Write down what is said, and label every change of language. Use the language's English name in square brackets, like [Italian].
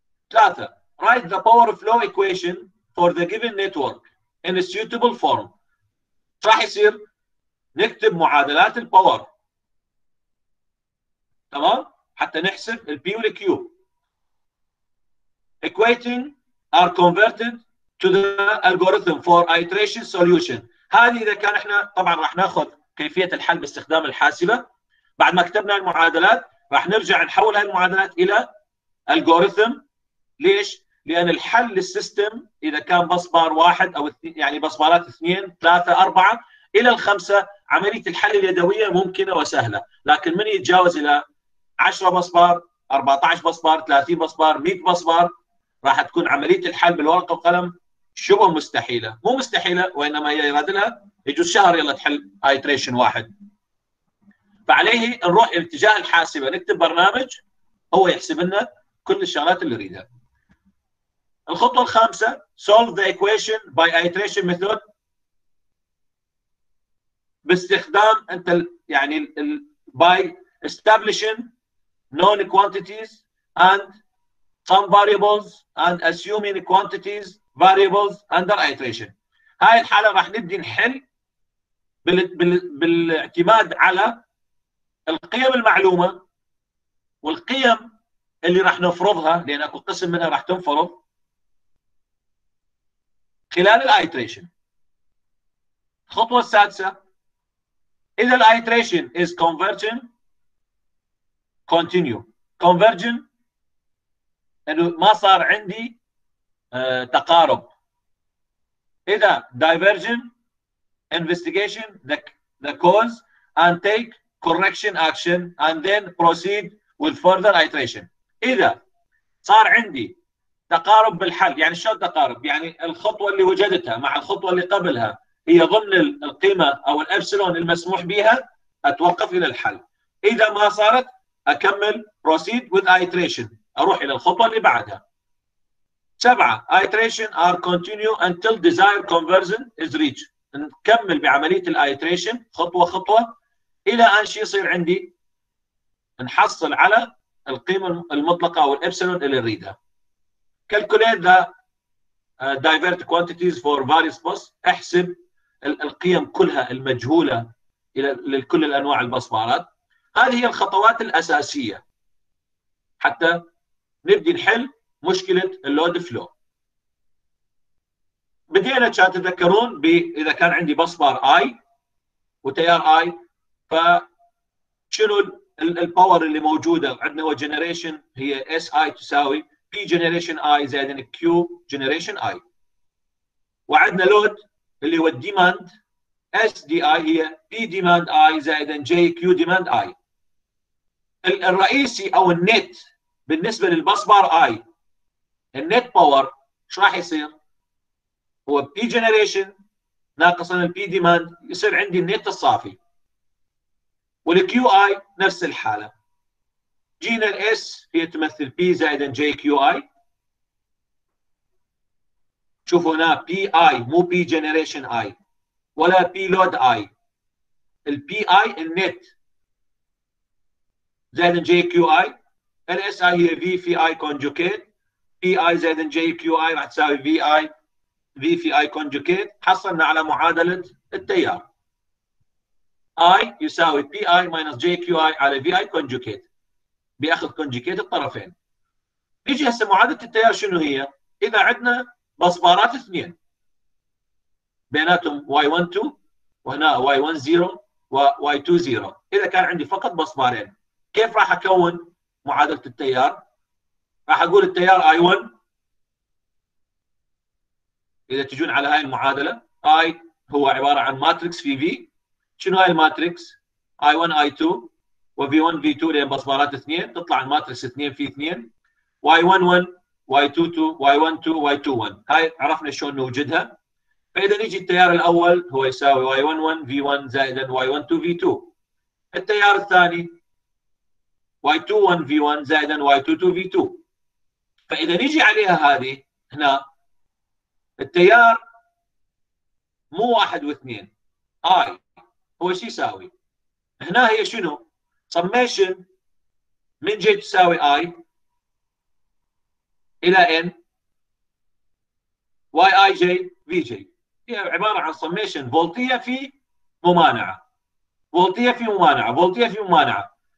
[Arabic] ثلاثة، [English] write the power flow equation for the given network in a suitable form. [Arabic] راح يصير نكتب معادلات الباور تمام حتى نحسب البي والكيو. [English] Equating are converted to the algorithm for iteration solution. [Arabic] هذه إذا كان إحنا طبعاً راح نأخذ كيفية الحل باستخدام الحاسبة. بعد ما كتبنا المعادلات راح نرجع نحول هالمعادلات إلى algorithm. ليش؟ لأن الحل للسيستم إذا كان بس بار واحد أو يعني بس بارات اثنين ثلاثة أربعة إلى الخمسة عملية الحل اليدوية ممكنة وسهلة، لكن من يتجاوز إلى 10 بس بار، 14 بس بار، 30 بس بار، 100 بس بار راح تكون عملية الحل بالورقة والقلم شبه مستحيلة، مو مستحيلة وإنما هي يراد لها يجوز شهر يلا تحل ايتريشن واحد. فعليه نروح اتجاه الحاسبة نكتب برنامج هو يحسب لنا كل الشغلات اللي نريدها. الخطوة الخامسة [English] solve the equation by iteration method [Arabic] باستخدام أنت يعني ال [English] by establishing known quantities and some variables and assuming quantities variables under iteration. [Arabic] هاي الحالة راح نبدي نحل بالاعتماد على القيم المعلومة والقيم اللي راح نفرضها لأن أكو قسم منها راح تنفرض خلال الايتريشن. الخطوة السادسة إذا الايتريشن [English] is converging continue. [Arabic] converging إنه ما صار عندي تقارب. إذا [English] diverging investigation the cause and take correction action and then proceed with further iteration. [Arabic] إذا صار عندي تقارب بالحل يعني شو تقارب يعني الخطوة اللي وجدتها مع الخطوة اللي قبلها هي ضمن القيمة أو الأبسلون المسموح بها أتوقف إلى الحل. إذا ما صارت أكمل [English] proceed with iteration [Arabic] أروح إلى الخطوة اللي بعدها. سبعة [English] iteration are continue until desired conversion is reached. [Arabic] نكمل بعملية الايتريشن خطوة خطوة إلى أن شي يصير عندي نحصل على القيمة المطلقة أو الأبسلون اللي نريدها. [English] Calculate the divert quantities for various bus. [Arabic] احسب القيم كلها المجهولة إلى لكل الأنواع البصمارات. هذه هي الخطوات الأساسية حتى نبدي نحل مشكلة load flow. بدينا كان تذكرون إذا كان عندي بصمار I وتيار I فشنو الباور اللي موجودة عندنا هو generation هي SI تساوي P generation I زائد Q generation I. وعندنا load اللي هو demand SDI هي P demand I زائد J Q demand I. الرئيسي أو النت بالنسبة للبصبار I النت باور شو راح يصير؟ هو P generation ناقصا P demand يصير عندي النت الصافي. والـ Q I نفس الحالة. جينا الـ S هي تمثل P زائد J Q I. شوفوا هنا P I مو P generation I ولا P load I. الـ P I النت زائد J Q I. الـ S I هي V في I conjugate. P I زائد J Q I راح تساوي V I V في I conjugate. حصلنا على معادلة التيار. I يساوي P I minus J Q I على V I conjugate. بياخذ كونجكيت الطرفين. نيجي هسه معادله التيار شنو هي؟ اذا عندنا بصبارات اثنين بيناتهم y12 وهنا y10 وy20 اذا كان عندي فقط بصبارين كيف راح اكون معادله التيار؟ راح اقول التيار i1 اذا تجون على هاي المعادله i هو عباره عن ماتريكس في v. شنو هاي الماتريكس؟ i1 i2 و V1 V2 لين بصبارات اثنين تطلع الماتريكس اثنين في اثنين Y11 Y22 Y12 Y21 هاي عرفنا شلون نوجدها. فإذا نيجي التيار الأول هو يساوي Y11 V1 زائدا Y12 V2. التيار الثاني Y21 V1 زائدا Y22 V2. فإذا نيجي عليها هذه هنا التيار مو واحد واثنين I هو ايش يساوي؟ هنا هي شنو؟ summation من J تساوي I إلى N YIJ VJ، هي عبارة عن summation فولتية في ممانعة، فولتية في ممانعة، فولتية في ممانعة.